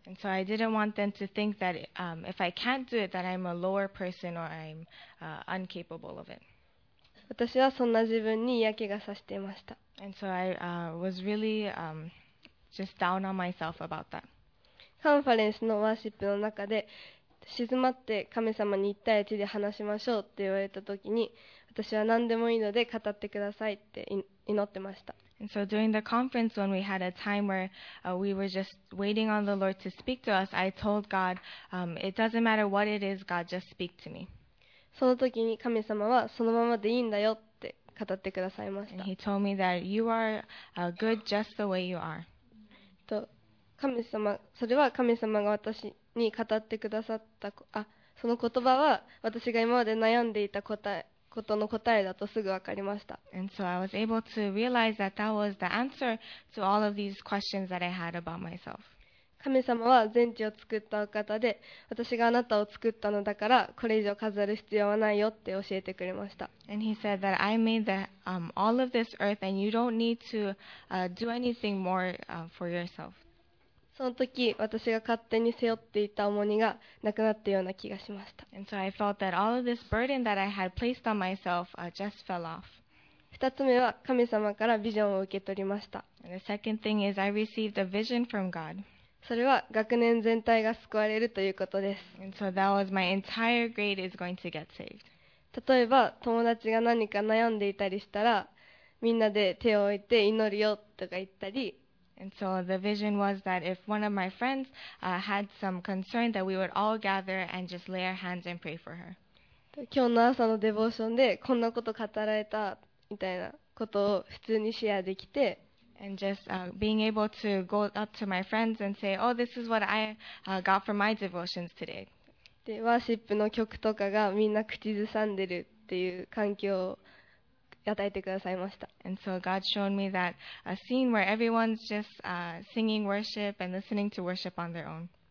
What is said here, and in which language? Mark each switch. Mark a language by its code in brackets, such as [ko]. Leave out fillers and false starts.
[en] And so I didn't want them to think that if I can't do it, that I'm a lower person or I'm incapable of it. [ja] 私はそんな自分に嫌気がさしていました。 [en] And so I was really just down on myself about that. [ja] カンファレンスのワーシップの中で静まって神様に一対一で話しましょうって言われたときに、私は何でもいいので語ってくださいって祈ってました。 [en] And so during the conference when we had a time where we were just waiting on the Lord to speak to us, I told God, it doesn't matter what it is, God, just speak to me. [ja] その時に神様はそのままでいいんだよって語ってくださいました。 [en] And he told me that you are good just the way you are. [ja] と神様、それは神様が私に語ってくださった、その言葉は私が今まで悩んでいた答え、ことの答えだとすぐ分かりました。 [en] And so I was able to realize that that was the answer to all of these questions that I had about myself. [ja] 神様は全地を作ったお方で、私があなたを作ったのだから、これ以上飾る必要はないよって教えてくれました。 [en] And he said that I made the, all of this earth and you don't need to do anything more for yourself. [ja] その時、私が勝手に背負っていた重荷がなくなったような気がしました。 [en] And so I felt that all of this burden that I had placed on myself just fell off. [ja] 二つ目は、神様からビジョンを受け取りました。 [en] And the second thing is I received a vision from God. [ja] それは、学年全体が救われるということです。 [en] And so that was my entire grade is going to get saved. [ja] 例えば、友達が何か悩んでいたりしたら、みんなで手を置いて祈るよとか言ったり、 [en] And so the vision was that if one of my friends had some concern, that we would all gather and just lay our hands and pray for her. [ja] 今日の朝のデボーションでこんなこと語られたみたいなことを普通にシェアできて、 [en] and just being able to go up to my friends and say, "Oh, this is what I got from my devotions today." [ja] で、ワーシップの曲とかがみんな口ずさんでるっていう環境を与えてくださいました。 [en] And so God showed me that a scene where everyone's just singing worship and listening to worship on their own.